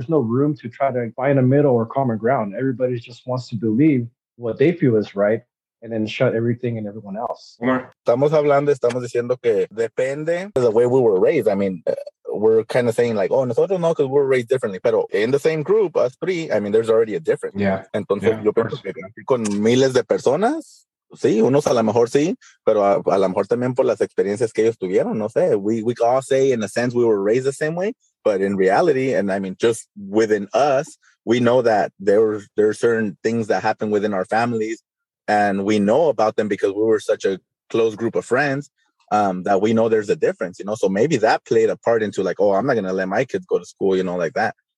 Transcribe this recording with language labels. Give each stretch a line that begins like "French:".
English: There's no room to try to find a middle or common ground. Everybody just wants to believe what they feel is right and then shut everything and everyone else.
Spanish: Estamos hablando, estamos diciendo que depende
English: of the way we were raised. I mean, we're kind of saying like, oh,
Spanish: nosotros no,
English: because we're raised differently. Pero in the same group, us three, I mean, there's already a difference. Yeah.
Spanish: Entonces,
English: yeah,
Spanish: yo pienso que con miles de personas, sí, unos a lo mejor sí, pero a lo mejor también por las experiencias que ellos tuvieron, no sé.
English: We all say, in a sense, we were raised the same way, but in reality, and I mean, just within us, we know that there are certain things that happen within our families, and we know about them because we were such a close group of friends. That we know there's a difference, you know, so maybe that played a part into like, oh, I'm not going to let my kids go to school, you know, like that.